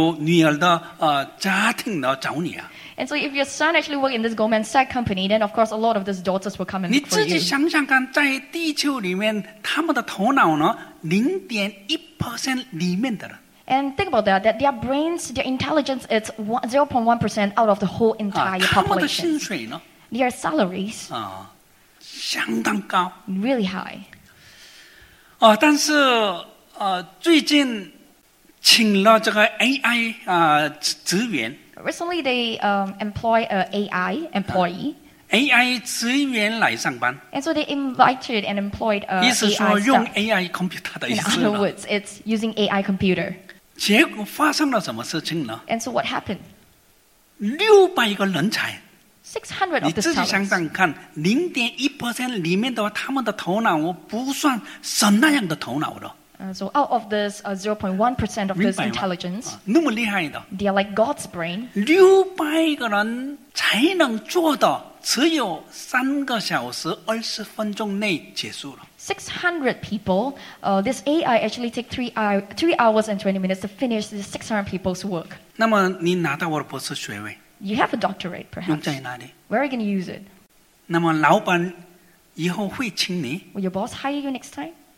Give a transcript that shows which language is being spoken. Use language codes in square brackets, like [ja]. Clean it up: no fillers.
[zh] 如果你的儿子在Goldman Sachs这个公司里面上班的话，那么多的这个有女儿的家庭呢找你啊。 [en] And so if your son actually works in this Goldman Sachs company, then of course a lot of these daughters will come and look for you. [zh] 你自己想想看，在地球里面，他们的头脑呢， 0.1% 里面的人。 [en] And think about that, that their brains, their intelligence is 0.1% out of the whole entire population. [zh] 他们的薪水呢？ [en] Their salaries. [zh] 相当高。 [en] Really high. [zh] 但是最近请了这个AI职员。 [en] Recently, they employ an AI employee. [zh] AI职员来上班。 [en] And so they invited and employed an AI staff. [zh] 意思说用 AI computer 的意思呢？ [en] In other words, it's using AI computer. [zh] 结果发生了什么事情呢？ [en] And so what happened? [zh] 600个人才。 [en] 600 of the talents. [zh] 你自己想想看， 0.1% 里面的话，他们的头脑不算神那样的头脑的。 [en] So out of this 0.1% of this intelligence, [zh] 那么厉害的, [en] they are like God's brain. [zh] 600个人才能做的只有3个小时20分钟内结束了。 [en] 600 people, this AI actually take three hours and 20 minutes to finish the 600 people's work. [zh] 那么你拿到我的博士学位, [en] you have a doctorate, perhaps. [zh] 用在哪里? [en] Where are you going to use it? [zh] 那么老板以后会请你? [en] Will your boss hire you next time?